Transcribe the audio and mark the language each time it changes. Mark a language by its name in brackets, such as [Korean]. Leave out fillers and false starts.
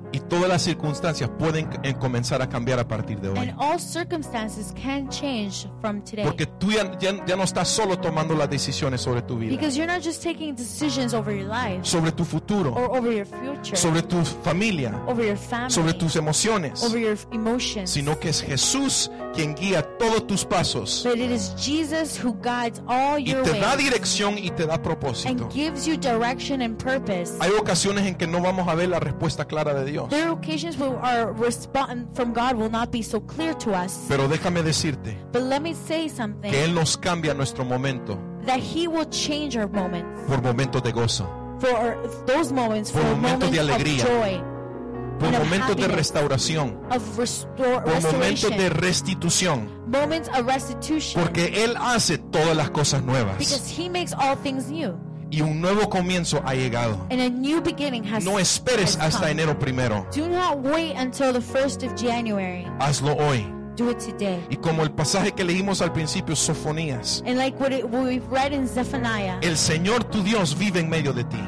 [Spanish] Y todas las circunstancias pueden comenzar a cambiar a partir de hoy. [English] And all circumstances can change from today. [Spanish] Porque tú ya no estás solo tomando las decisiones sobre tu vida. [English] Because you're not just taking decisions over your life. [Spanish] Sobre tu futuro. [English] Or over your future. [Spanish] Sobre tu familia. [English] Over your family. [Spanish] Sobre tus emociones. [English] Over your emotions. [Spanish] Sino que es Jesús quien guía todos tus pasos. [English] But it is Jesus who guides all your ways. [Spanish] Y te da dirección y te da propósito. [English] And gives you direction and purpose. [Spanish] Hay ocasiones en que no vamos a ver la respuesta clara de Dios. [English] There are occasions where our response from God will not be so clear to us. [Spanish] Pero déjame decirte, [English] but let me say something. [Spanish] Que Él nos cambia nuestro momento. [English] That He will change our moments. [Spanish] Por momentos de gozo. [English] For those moments, [Spanish] por [English] for moments [Spanish] de alegría, [English] of joy. [Spanish] Por momentos de restauración. [English] Of restoration. [Spanish] Por momentos de restitución. [English] Moments of restitution. [Spanish] Porque Él hace todas las cosas nuevas. [English] Because He makes all things new. [Spanish] Y un nuevo comienzo ha llegado. [English] And a new beginning has, [Spanish] no esperes [English] has [Spanish] hasta [English] come. [Spanish] Enero primero. [English] Do not wait until the 1st of January. [Spanish] Hazlo hoy. [English] Do it today. [Spanish] Y como el pasaje que leímos al principio, Sofonías. [English] And like what we've read in Zephaniah. [Spanish] El Señor tu Dios vive en medio de ti.